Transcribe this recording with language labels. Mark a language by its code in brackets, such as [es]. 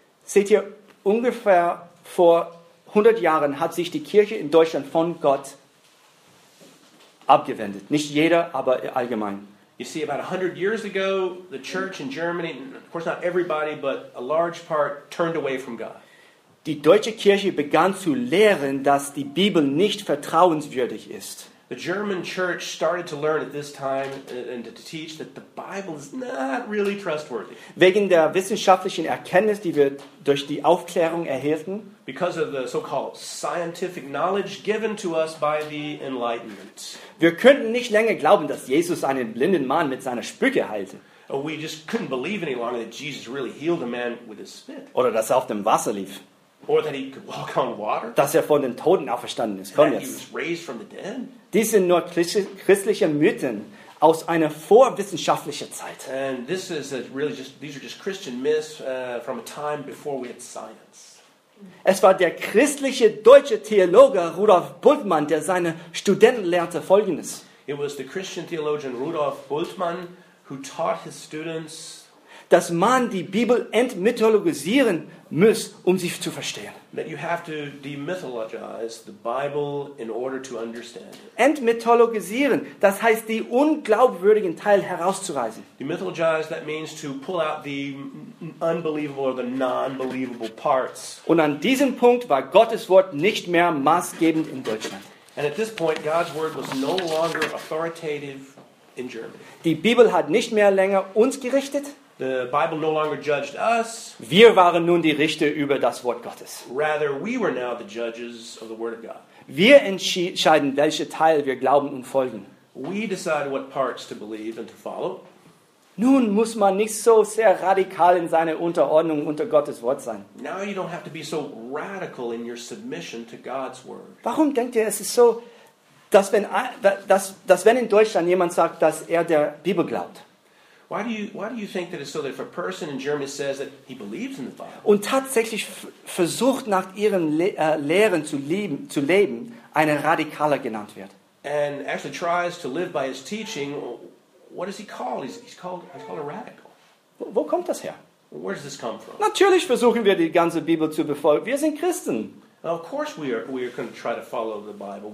[de] Seht ihr, ungefähr vor 100 Jahren hat sich die Kirche in Deutschland von Gott abgewendet. Nicht jeder, aber allgemein. [en] You see, about 100 years ago, the church in Germany, of course not everybody, but a large part turned away from God. [de] Die deutsche Kirche begann zu lehren, dass die Bibel nicht vertrauenswürdig ist. [en] The German church started to learn at this time and to teach that the Bible is not really trustworthy. [de] Wegen der wissenschaftlichen Erkenntnis, die wir durch die Aufklärung erhielten, [en] because of the so-called scientific knowledge given to us by the Enlightenment. [de] Wir könnten nicht länger glauben, dass Jesus einen blinden Mann mit seiner Spucke heilte. [en] We just couldn't believe any longer that Jesus really healed a man with his spit. [de] Oder dass er auf dem Wasser lief. [en] Or that he could walk on water. [de] Dass er von den Toten auferstanden ist. Komm jetzt. [en] He was raised from the dead. [de] Dies sind nur christliche Mythen aus einer vorwissenschaftlichen Zeit. [en] And this is really just, these are just Christian myths from a time before we had science. [de] Es war der christliche deutsche Theologe Rudolf Bultmann, der seine Studenten lehrte Folgendes. [en] It was the Christian theologian Rudolf Bultmann who taught his students, [de] dass man die Bibel entmythologisieren muss, um sie zu verstehen. [en] That you have to demythologize the Bible in order to understand it. [de] Entmythologisieren, das heißt, die unglaubwürdigen Teil herauszureißen. [en] Demythologize, that means to pull out the unbelievable or the non-believable parts. [de] Und an diesem Punkt war Gottes Wort nicht mehr maßgebend in Deutschland. [en] And at this point, God's word was no longer authoritative in Germany. [de] Die Bibel hat nicht mehr länger uns gerichtet. [en] The Bible no longer judged us. [de] Wir waren nun die Richter über das Wort Gottes. [en] Rather, we were now the judges of the Word of God. [de] Wir entscheiden, welche Teile wir glauben und folgen. [en] We decide what parts to believe and to follow. [de] Nun muss man nicht so sehr radikal in seiner Unterordnung unter Gottes Wort sein. [en] Now you don't have to be so radical in your submission to God's Word. [de] Warum denkt ihr, es ist so, dass wenn in Deutschland jemand sagt, dass er der Bibel glaubt? [en] Why do you think that it's so that if a person in Germany says that he believes in the Bible? [de] Und tatsächlich versucht nach ihren Lehren zu leben, ein Radikaler genannt wird. [en] And actually tries to live by his teaching, what is he called? He's called a radical. [de] Wo kommt das her? [en] Where does this come from? [de] Natürlich versuchen wir die ganze Bibel zu befolgen. Wir sind Christen. [en] Well, of course we are going to try to follow the Bible.